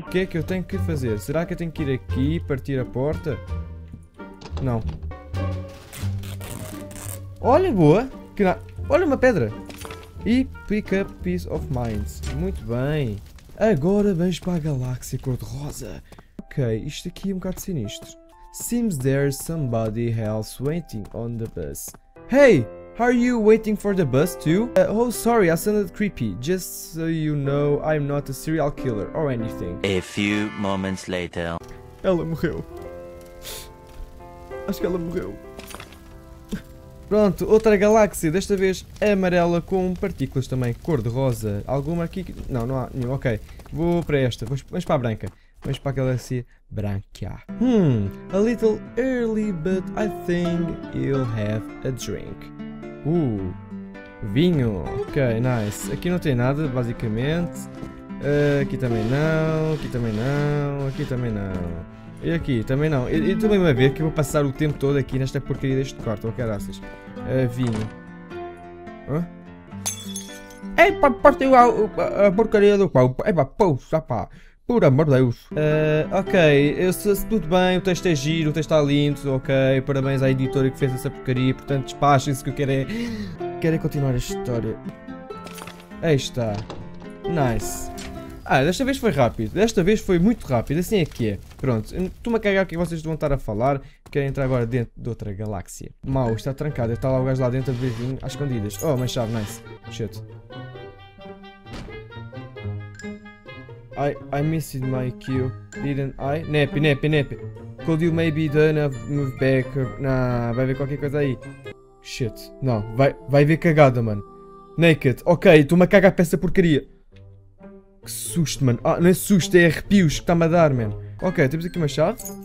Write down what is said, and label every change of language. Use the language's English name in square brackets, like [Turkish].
[Portuguese] O que é que eu tenho que fazer? Será que eu tenho que ir aqui e partir a porta? Não. Olha, boa. Que na... Olha uma pedra. E [English] pick up piece of mind. [Portuguese] Muito bem. Agora vamos para a galáxia cor-de-rosa. Ok, isto aqui é um bocado sinistro. [English] Seems there's somebody else waiting on the bus. Hey, are you waiting for the bus too? Oh, sorry, I sounded creepy. Just so you know, I'm not a serial killer or anything. A few moments later. [Portuguese] Ela morreu. Acho que ela morreu. Pronto, outra galáxia, desta vez amarela com partículas também cor-de-rosa. Alguma aqui? Não, não há nenhuma. Ok, vou para esta. Vamos para a branca. Vamos para a galáxia branca. [English] A little early, but I think you'll have a drink. [Portuguese] Vinho. Ok, nice. Aqui não tem nada, basicamente. Aqui também não. Aqui também não. Aqui também não. E aqui também não. E também vai ver que eu vou passar o tempo todo aqui nesta porcaria deste quarto. Ou caraças. Vinho. Hã? Epa, partiu a porcaria do pau. Epa, pô, já pá. Por amor de Deus. Ok, eu sei tudo bem, o texto é giro, o texto está lindo, ok. Parabéns à editora que fez essa porcaria, portanto despachem-se que eu quero é... Quero é continuar a história. Aí está. Nice. Ah, desta vez foi rápido. Desta vez foi muito rápido, assim é que é. Pronto, estou-me a cagar o que vocês vão estar a falar. Quero entrar agora dentro de outra galáxia. Mau, está trancado. Está lá o gajo lá dentro a beber vinho às escondidas. Oh, uma chave, nice. Shit. [English] I missed my cue, didn't I? Nepe. Could you maybe done a move back? [Portuguese] Nah, vai ver qualquer coisa aí. Shit, não, vai ver cagada, mano. Naked, ok, estou-me a cagar para essa porcaria. Que susto, mano. Ah, não é susto, é arrepios que está-me a dar, mano. Ok, temos aqui uma chave.